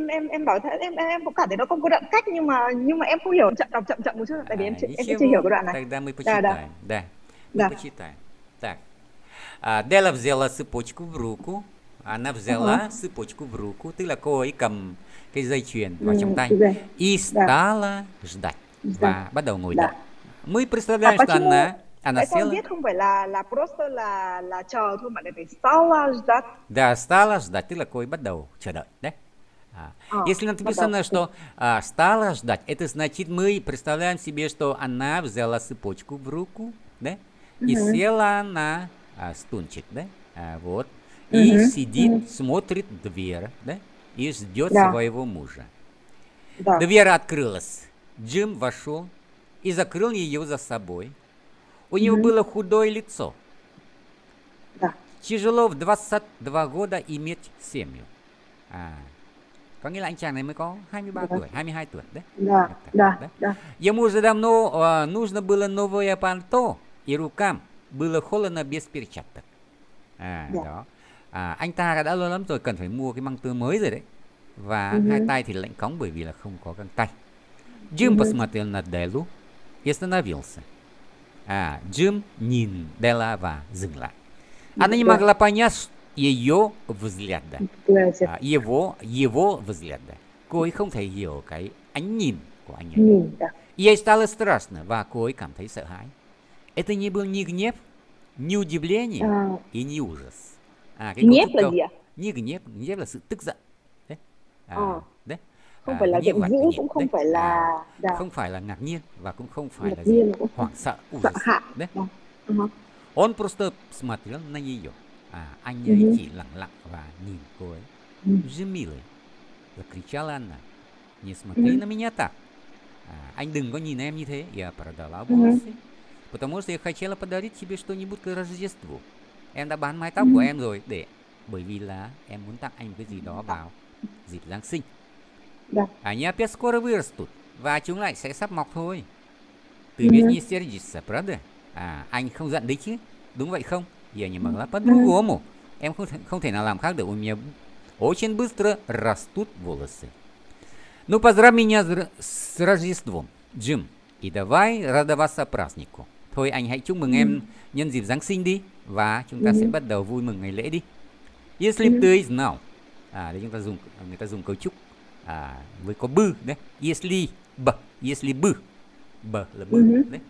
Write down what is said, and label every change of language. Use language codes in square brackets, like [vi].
[vi] Em bảo thật, em cũng cảm thấy nó không có đoạn cách, nhưng mà em không hiểu, chậm một chút, tại vì em chưa hiểu cái đoạn này. [ru] Тогда мы почитаем. Да. Почитаем. Так. Дела взяла цепочку в руку. Она взяла цепочку в руку, [vi] tức là cô ấy cầm cái dây chuyền vào trong tay [ru] и стала ждать. [vi] Và bắt đầu ngồi đợi. [ru] Мы представляем, что она села. [vi] Biết không phải là [ru] просто [vi] là chờ thôi mà là phải [ru] стала ждать. Да, стала ждать, [vi] tức là cô ấy bắt đầu chờ đợi, да? [ru] Если написано, что стала ждать, это значит мы представляем себе, что она взяла цепочку в руку, да? И села на стульчик, да? Вот. И сидит, смотрит дверь, да? И ждет своего мужа. Да. Дверь открылась. Джим вошел и закрыл ее за собой. У него было худое лицо. Да. Тяжело в 22 года иметь семью. [vi] Có nghĩa là anh chàng này mới có 23 tuổi, 22 tuổi, да? [ru] Да. Ему уже давно нужно было новое пальто, и рукам было холодно без перчаток. [vi] Anh ta đã lâu lắm rồi cần phải mua cái băng tơ mới rồi đấy. Và hai tay thì lạnh cóng bởi vì là không có găng tay. [ru] Джим посмотрел на Делу и остановился. [vi] Джим nhìn Дела và dừng lại. [ru] Она не могла понять ее взгляда. Его взгляда. [vi] Cô ấy không thể hiểu cái ánh nhìn của anh ấy. [ru] Ей стало страшно, [vi] và cô ấy cảm thấy sợ hãi. [ru] Это не был ни гнев, ни удивление и ни ужас. [vi] Гнев là gì ạ? [ru] Не гнев, [vi] гнев là sự tức giận. [ru] Да? [vi] Không phải là giận dữ, cũng không phải là... Không phải là ngạc nhiên, và cũng không phải là hoảng sợ. Sợ hạ. [ru] Он просто смотрел на нее. [vi] Anh ấy chỉ lặng lặng và nhìn cô ấy. [ru] Уже милый. Закричала она. Не смотри на меня так. [vi] Anh đừng có nhìn em như thế. [ru] Я продала волосы. Потому что я хотела подарить тебе что-нибудь к Рождеству. [vi] Em đã bán mái tóc của em rồi để bởi vì là em muốn tặng anh cái gì đó vào dịp Giáng sinh. [ru] Они опять скоро вырастут. [vi] Và chúng lại sẽ sắp mọc thôi. [ru] Ты biết не сердится, правда? [vi] Anh không giận đấy chứ. Đúng vậy không? [ru] Я не могла по-другому. [vi] Em không thể nào làm khác được. [ru] У меня очень быстро растут волосы. Ну, поздравь меня с Рождеством, Джим. И давай радоваться празднику. [vi] Thôi anh hãy chúc mừng em nhân dịp Giáng sinh đi. Và chúng ta sẽ bắt đầu vui mừng ngày lễ đi. [ru] Если ты знал. [vi] Để chúng ta dùng, người ta dùng câu chúc với có бы, đấy. [ru] Если бы. Если бы. Бы là бы,